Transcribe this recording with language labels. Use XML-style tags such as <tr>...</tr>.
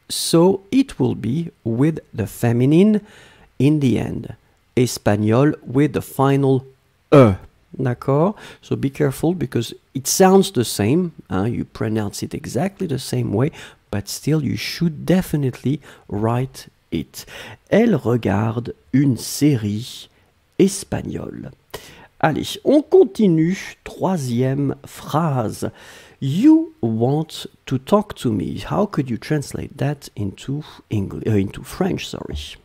<en>So it will be with the feminine in the end. Espagnol with the final E.</en> <fr>D'accord?</fr> <en>So be careful because it sounds the same. You pronounce it exactly the same way, but still you should definitely write it.</en> <fr>Elle regarde une série espagnole. Allez, on continue. Troisième phrase.</fr> <en>you want to talk to me. How could you translate that into English, into French, sorry?</en>